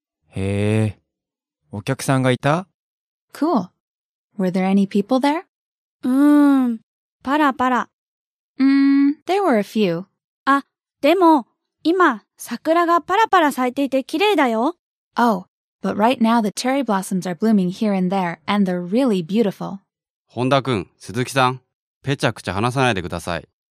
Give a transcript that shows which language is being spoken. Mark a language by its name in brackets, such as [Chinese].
[Japanese] へえ、お客さんがいた？ [English] Cool. Were there any people there? [Japanese] パラパラ。 [English] There were a few. [Japanese] あ、でも、今、桜がパラパラ咲いていて綺麗だよ。 [English] Oh, but right now the cherry blossoms are blooming here and there, and they're really beautiful. [Japanese] 本田くん、鈴木さん、ぺちゃくちゃ話さないでください。